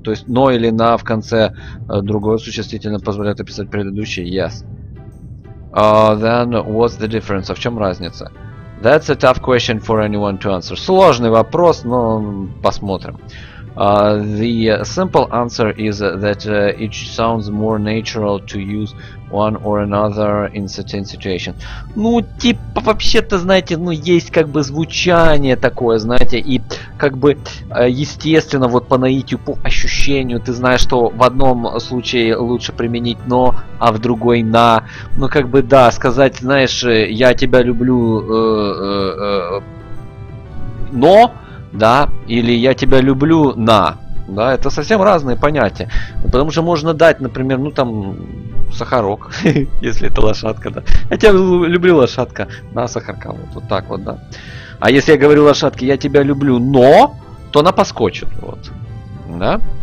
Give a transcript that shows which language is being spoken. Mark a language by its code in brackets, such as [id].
[ru] То есть no или na в конце другое существительное позволяет описать предыдущее. [en] Yes. Then what's the difference? [ru] А в чем разница? [en] That's a tough question for anyone to answer. [ru] Сложный вопрос, но посмотрим. [en] The simple answer is that it sounds more natural to use one or another in certain situations. [ru] Ну, типа, вообще-то, знаете, ну, есть как бы звучание такое, знаете, и как бы, естественно, вот по наитию, по ощущению, ты знаешь, что в одном случае лучше применить «но», а в другой «на». Ну, как бы, да, сказать, знаешь, «я тебя люблю, но», да, или «я тебя люблю на», да, это совсем разные понятия, потому что можно дать, например, ну там, сахарок, если это лошадка, да, «я тебя люблю, лошадка, на сахарка», вот, вот так вот, да, а если я говорю лошадке «я тебя люблю, но», то она поскочит, вот, да,